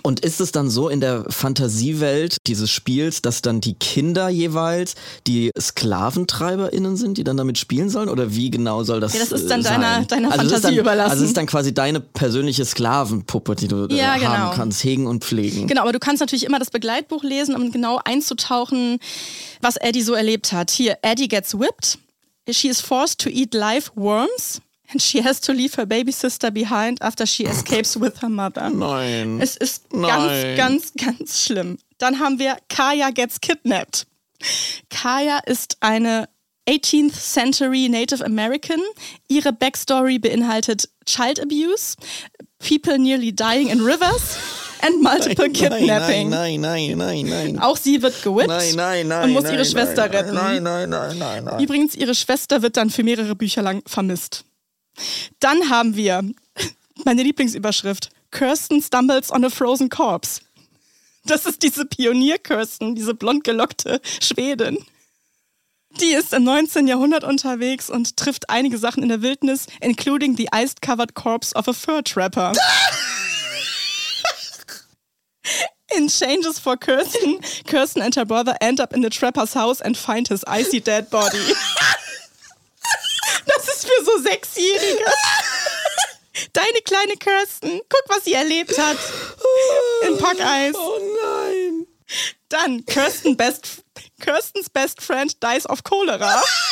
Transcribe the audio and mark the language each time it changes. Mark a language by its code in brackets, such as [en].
[de] Und ist es dann so in der Fantasiewelt dieses Spiels, dass dann die Kinder jeweils die SklaventreiberInnen sind, die dann damit spielen sollen? Oder wie genau soll das sein? Ja, das ist dann deiner also Fantasie überlassen. Also es ist dann quasi deine persönliche Sklavenpuppe, die du haben kannst, hegen und pflegen. Genau, aber du kannst natürlich immer das Begleitbuch lesen, um genau einzutauchen, was Addie so erlebt hat. [en] Hier, Addie gets whipped, she is forced to eat live worms. And she has to leave her baby sister behind after she escapes with her mother. [de] Nein. Es ist ganz, ganz, ganz schlimm. Dann haben wir [en] Kaya gets kidnapped. [de] Kaya ist eine [en] 18th century Native American. [de] Ihre Backstory beinhaltet [en] Child Abuse, people nearly dying in rivers and multiple kidnapping. [de] Nein. Auch sie wird gewhipped nein, und muss ihre Schwester retten. Nein. Übrigens, ihre Schwester wird dann für mehrere Bücher lang vermisst. Dann haben wir meine Lieblingsüberschrift: [en] Kirsten stumbles on a frozen corpse. [de] Das ist diese Pionier-Kirsten, diese blond gelockte Schwedin. Die ist im 19. Jahrhundert unterwegs und trifft einige Sachen in der Wildnis, [en] including the ice-covered corpse of a fur trapper. In Changes for Kirsten, Kirsten and her brother end up in the trapper's house and find his icy dead body. [de] Das ist für so Sechsjährige. Deine kleine Kirsten, guck, was sie erlebt hat. Im Packeis. Oh nein. [en] Dann Kirstens best friend dies of Cholera.